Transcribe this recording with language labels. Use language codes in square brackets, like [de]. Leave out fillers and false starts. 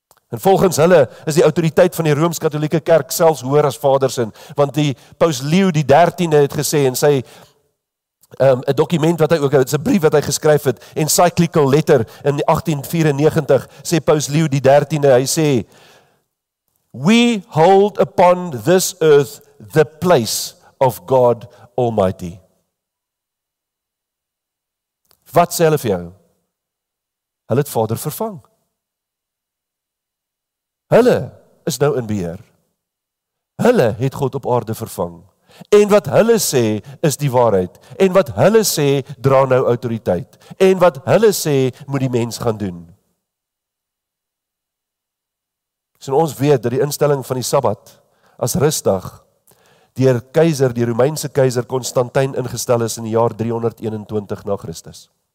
[af] En volgens hulle is die autoriteit van die Rooms-Katolieke Kerk selfs hoër as Vader se, want die Paus Leo die 13de het gesê in sy 'n dokument wat hy ook het, 'n brief wat hy geskryf het, Encyclical Letter in 1894 sê Paus Leo die 13de, hy sê [en] we hold upon this earth the place of God Almighty. [af] Wat sê hulle vir jou? Hulle het Vader vervang. Hulle is nou in beheer. Hulle het God op aarde vervang. En wat hulle sê is die waarheid. En wat hulle sê dra nou autoriteit. En wat hulle sê moet die mens gaan doen. So ons weet dat die instelling van die Sabbat as rusdag deur keizer, die Romeinse keizer Konstantin ingestel is in die jaar 321 na Christus.